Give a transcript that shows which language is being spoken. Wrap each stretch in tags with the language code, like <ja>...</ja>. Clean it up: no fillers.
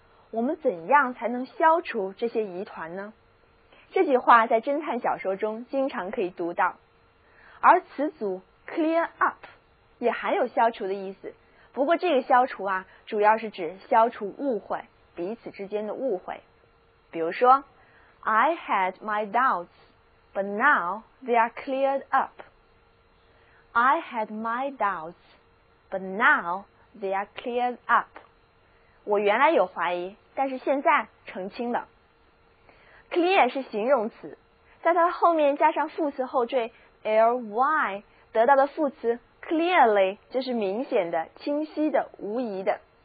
<zh>我们怎样才能消除这些疑团呢？这句话在侦探小说中经常可以读到，而词组 clear up 也含有消除的意思，不过这个消除啊，主要是指消除误会，彼此之间的误会。比如说</zh> <en>I had my doubtsBut now they are cleared up. I had my doubts, but now they are cleared up.</en> <zh>我原来有怀疑，但是现在澄清了。 Clear 是形容词，在它后面加上副词后缀 ly， 得到的副词 clearly 就是明显的、清晰的、无疑的。</zh>